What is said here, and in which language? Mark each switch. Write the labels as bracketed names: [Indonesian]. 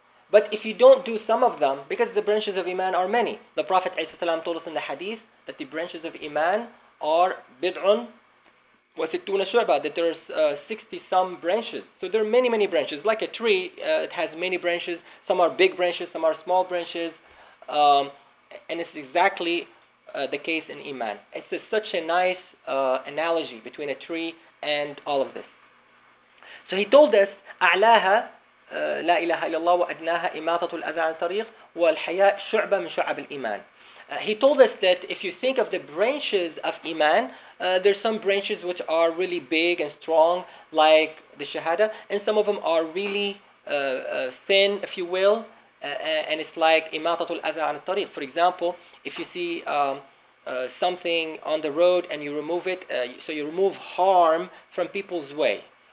[English] But if you don't do some of them, because the branches of Iman are many, the Prophet ﷺ told us in the hadith that the branches of Iman are [Arabic] bid'un wa sittuna shu'ba, [English] that there are 60-some branches. So there are many, many branches. Like a tree, it has many branches. Some are big branches, some are small branches. And it's exactly the case in Iman. It's such a nice analogy between a tree and all of this. So he told us, [Arabic] أعلاها لا إله إلا الله وأدناها إماطة الأذى عن الطريق والحياء شعبة من شعب الإيمان. [English] He told us that if you think of the branches of Iman, there's some branches which are really big and strong, like the Shahada, and some of them are really thin, if you will, and it's like [Arabic] إماطة الأذى عن الطريق. [English] For example, if you see something on the road and you remove it, so you remove harm from people's way.